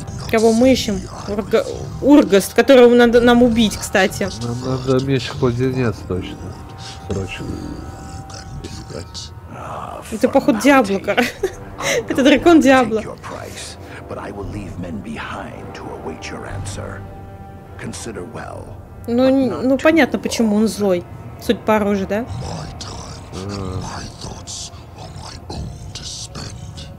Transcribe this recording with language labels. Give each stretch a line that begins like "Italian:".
Russian: Кого мы ищем? Ургаст, которого надо нам убить, кстати. Нам надо меч Хладенец, точно. Срочно. Это, походу, Диабло, короче. Это дракон Диабло.
English: But I will leave men behind to await your answer. Consider well.
Russian: Ну, понятно, почему он злой. Суть по оружию, да?
English: My time and my thoughts are my own to spend.